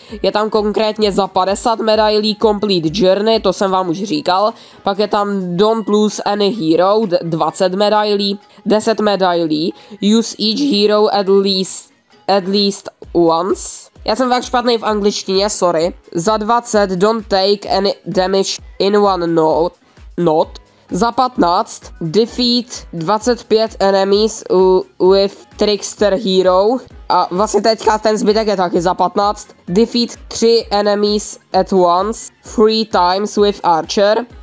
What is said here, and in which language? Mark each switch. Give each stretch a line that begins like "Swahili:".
Czech: Je tam konkrétně za 50 medailí Complete Journey, to jsem vám už říkal. Pak je tam
English: Don't Lose Any Hero,
Czech: 20 medailí, 10 medailí,
English: Use Each Hero at least once.
Czech: Já jsem fakt špatný v angličtině, sorry.
English: Za 20 don't take any damage in one note. Za 15 defeat 25 enemies with Trickster Hero.
Czech: A vlastně teďka ten zbytek je taky za 15.
English: Defeat 3 enemies at once 3 times with Archer.